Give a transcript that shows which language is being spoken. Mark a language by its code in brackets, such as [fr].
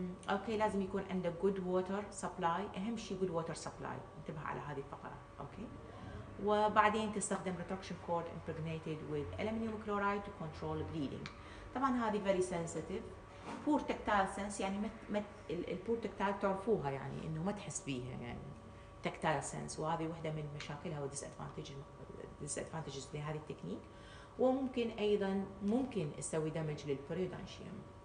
[ar] اوكي لازم يكون عندك [en] good water supply. [ar] اهم شيء good water supply انتبه على هذه الفقرة. اوكي وبعدين تستخدم [en] retraction cord impregnated with aluminium chloride to control bleeding. [ar] طبعا هذه [en] very sensitive poor tactile sense [ar] يعني مت poor tactile تعرفوها يعني انه ما تحس بيها يعني [en] tactile sense [ar] وهذه واحدة من مشاكلها disadvantages لهذه التكنيك. وممكن ايضا ممكن تسوي damage للperiodontium.